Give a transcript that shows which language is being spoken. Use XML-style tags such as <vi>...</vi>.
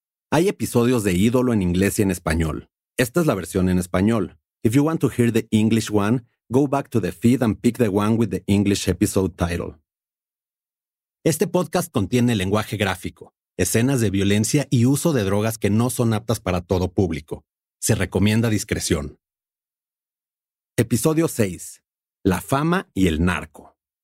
<es>Hay episodios de Ídolo en inglés y en español. Esta es la versión en español.</es> <en>If you want to hear the English one, go back to the feed and pick the one with the English episode title.</en> <es>Este podcast contiene lenguaje gráfico, escenas de violencia y uso de drogas que no son aptas para todo público. Se recomienda discreción. Episodio 6. La fama y el narco.</es>